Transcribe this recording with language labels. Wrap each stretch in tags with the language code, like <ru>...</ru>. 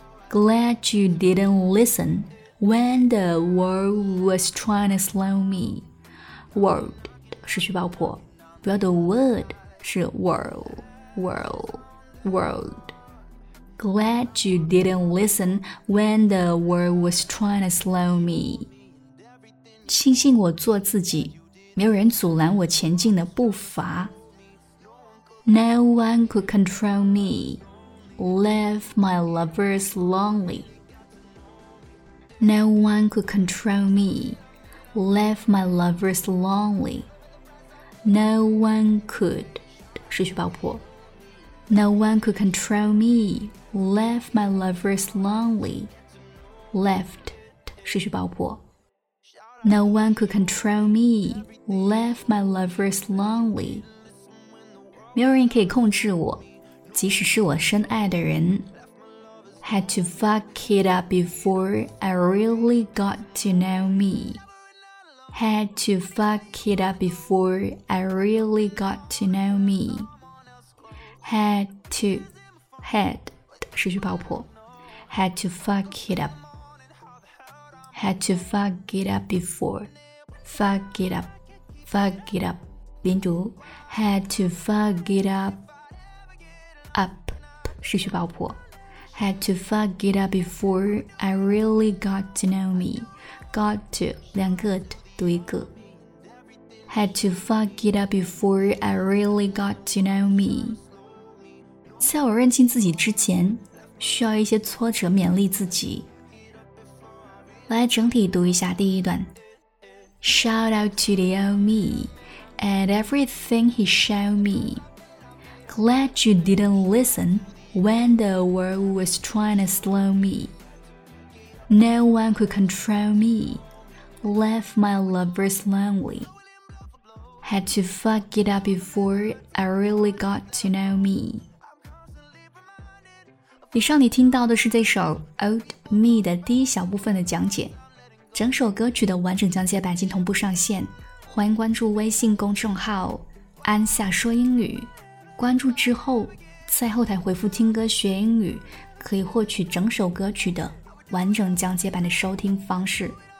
<en>Glad you didn't listen when the world was trying to slow me.</en> <zh>World, 失去爆破。不要读 word, 是 world, world. World.</zh> <en>Glad you didn't listen when the world was trying to slow me.</en> <zh>庆幸我做自己，没有人阻拦我前进的步伐。</zh> <en>No one could control me. Left my lovers lonely. No one could control me. Left my lovers lonely. No one could.</en> <zh>失去爆破。</zh> <en>No one could control me, left my lovers lonely. Left,</en> <zh>失去爆破。</zh> <en>No one could control me, left my lovers lonely.</en> <zh>没有人可以控制我，即使是我深爱的人。</zh> <en>Had to fuck it up before I really got to know me. Had to fuck it up before I really got to know me. Had to, had,</en> <zh>失去爆破。</zh> <en>Had to fuck it up. Had to fuck it up before. Fuck it up, fuck it up.</en> <zh>连读。</zh> <en>Had to fuck it up. Up,</en> <zh>失去爆破。</zh> <en>Had to fuck it up before I really got to know me. Got to,</en> <zh>两个 t, 读一个。</zh> <en>Had to fuck it up before I really got to know me.</en> <zh>在我认清自己之前，需要一些挫折勉励自己。来整体读一下第一段。</zh> <en>Shout out to the old me and everything he showed me. Glad you didn't listen when the world was trying to slow me. No one could control me. left my lovers lonely. Had to fuck it up before I really got to know me.</en> <zh>以上你听到的是这首 Old Me 的第一小部分的讲解，整首歌曲的完整讲解版已经同步上线，欢迎关注微信公众号安夏说英语，关注之后在后台回复听歌学英语，可以获取整首歌曲的完整讲解版的收听方式。</zh>